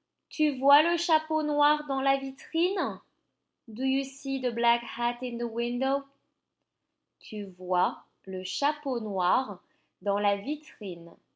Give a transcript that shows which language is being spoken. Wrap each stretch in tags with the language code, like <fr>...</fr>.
<fr>Tu vois le chapeau noir dans la vitrine?</fr> <en>Do you see the black hat in the window?</en> <fr>Tu vois le chapeau noir dans la vitrine.</fr>